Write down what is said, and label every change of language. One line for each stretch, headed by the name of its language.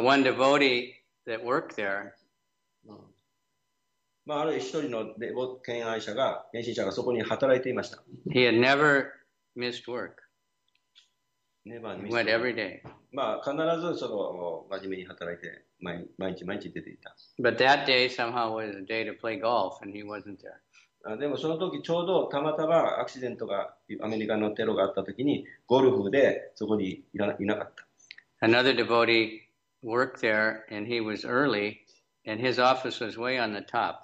English: one devotee that worked there.
Japanese: まあある一人の献身者がそこに働いていました。
English: He had never missed work. Never went every day.
Japanese: まあ必ずその真面目に働いて毎日毎日出ていた。
English: But that day somehow was a day to play golf and he wasn't there.
Japanese: でもその時ちょうどたまたまアクシデントがアメリカのテロがあった時にゴルフでそこにいなかった。Another
English: devotee worked there and he was early and his office was way on the top.